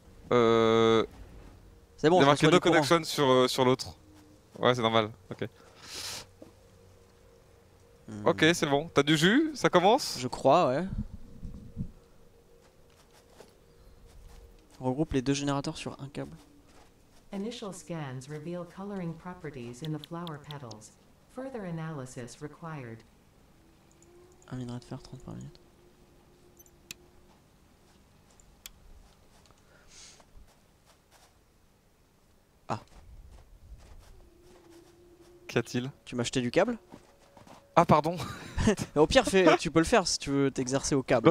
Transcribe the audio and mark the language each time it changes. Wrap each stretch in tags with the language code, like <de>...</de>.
<fr>C'est bon, il y a marqué</fr> <en>no connection</en> <fr>sur l'autre. Ouais, c'est normal. Ok. Mmh. Ok, c'est bon. T'as du jus? Ça commence? Je crois, ouais. Regroupe les deux générateurs sur un câble.</fr> <en>Initial scans reveal coloring properties in the flower petals. Further analysis required.</en> <fr>Un minerai de fer, 30 par minute. Ah. Qu'y a-t-il? Tu m'as acheté du câble? Ah, pardon. Au pire, tu peux le faire si tu veux t'exercer au câble.</fr>